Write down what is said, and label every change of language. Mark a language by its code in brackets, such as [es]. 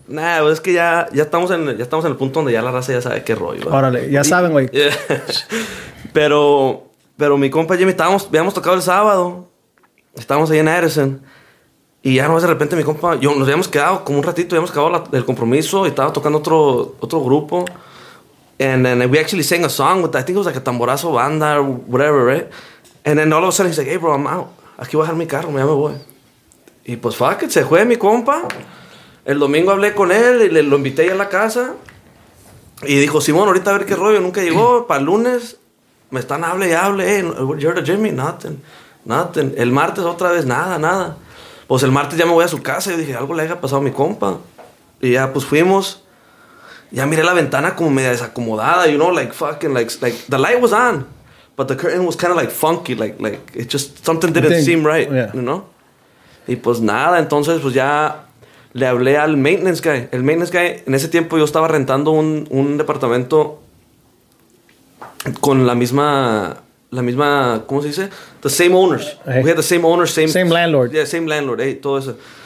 [es] Nah, pues es que ya estamos en el punto donde ya la raza ya sabe qué rollo. ¿Verdad? Órale, ya saben, güey. [en] Yeah. [es] Pero mi compa Jimmy, habíamos tocado el sábado. Estábamos ahí en Harrison. Y ya nomás de repente mi compa, yo nos habíamos quedado como un ratito, habíamos acabado el compromiso y estaba tocando otro grupo. [en] And then we actually sang a song with, I think it was like a tamborazo banda or whatever, right? And then all of a sudden he's like, hey, bro, I'm out. [es] Aquí voy a dejar mi carro, ya me voy. Y pues, [en] fuck it, [es] se fue mi compa. El domingo hablé con él y lo invité a la casa. Y dijo, Simón, ahorita a ver qué rollo. Nunca llegó. Para el lunes me están hable. [en] Hey, you heard of Jimmy? Nothing. [es] El martes otra vez, nada. Pues el martes ya me voy a su casa. Yo dije, algo le haya pasado a mi compa. Y ya, pues fuimos. Ya miré la ventana como media desacomodada, [en] you know, like fucking, like the light was on. but the curtain was kind of like funky, like it just, something didn't seem right, you know? [es] Y pues nada, entonces pues ya le hablé al maintenance guy. El maintenance guy, en ese tiempo yo estaba rentando un departamento con la misma, ¿cómo se dice? [en] The same owners. Okay. We had the same owners, same landlord. Yeah, same landlord, hey, [es] todo eso.